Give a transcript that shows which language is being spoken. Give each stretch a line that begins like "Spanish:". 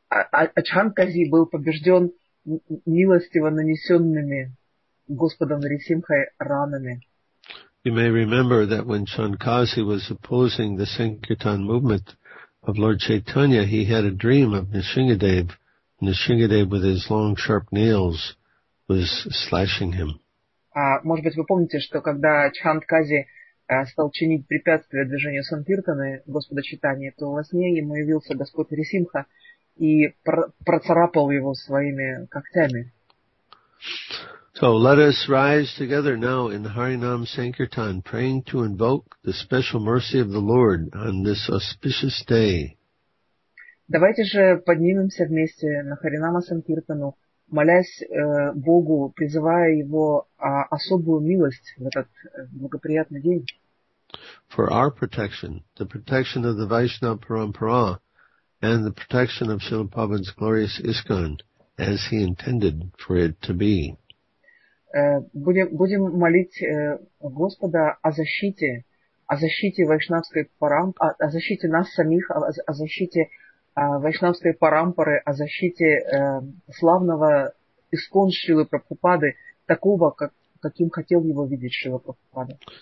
Russian: Ачхан Кази был побежден милостиво нанесенными Господом Нарисимхой ранами.
English: You may remember that when Chankasi was opposing the Sankirtan movement of Lord Chaitanya, he had a dream of Nrisingadev. Nrisingadev with his long sharp nails was slashing him.
Russian: Может быть, вы помните, что когда Чханкази стал чинить препятствия движению Санкиртаны, Господа Чайтаньи, то во сне ему явился Господь Нарисимха и процарапал его своими когтями.
English: So let us rise together now in Harinam Sankirtan, praying to invoke the special mercy of the Lord on this auspicious day.
Russian: Давайте же поднимемся вместе на Харинама Санкиртану, молясь Богу, призывая Его особую милость в этот благоприятный день.
English: For our protection, the protection of the Vaishnava Parampara, and the protection of Srila Prabhupada's glorious ISKCON, as He intended for it to be.
Russian: Будем молить Господа о защите вайшнавской парампары, о защите нас самих, о защите вайшнавской парампары, о защите славного искон Шрилы Прабхупады, такого, каким хотел его видеть Шрила Прабхупада.